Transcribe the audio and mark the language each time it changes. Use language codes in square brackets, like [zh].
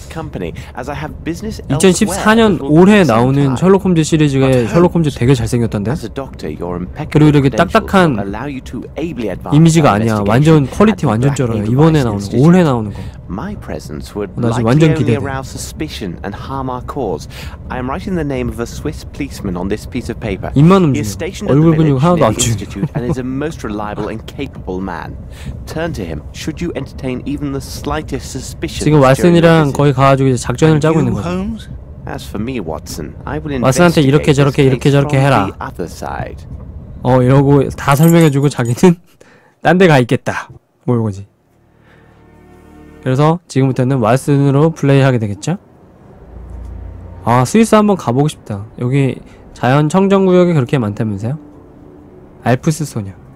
[ko] 2014년 올해 나오는 셜록 홈즈 시리즈에 셜록 홈즈 되게 잘생겼던데. 그리고 이렇게 딱딱한 이미지가 아니야. 완전 퀄리티 완전 쩔어요. 이번에 나오는 거, 올해 나오는 거. 나 지금 완전 기대돼. [en] I am writing the name of a Swiss policeman on this piece of paper. [ko] 입만 움직여. 얼굴 근육 하나도 안 움직여. [en] And is a most reliable and capable man. Turn to him. Should you entertain even the slightest suspicion? [ko] 지금 왈슨이랑 거의 가가지고 이제 작전을 짜고 있는 거야. [en] As for me, Watson, I will invest. [ko] 왈슨한테 이렇게 저렇게 이렇게 저렇게 해라. 이러고 다 설명해주고 자기는 딴 데 가 있겠다. 뭐 이거지. 그래서 지금부터는 왈슨으로 플레이하게 되겠죠? 아, 스위스 한번 가보고 싶다. 여기 자연 청정 구역이 그렇게 많다면서요? 알프스 소녀.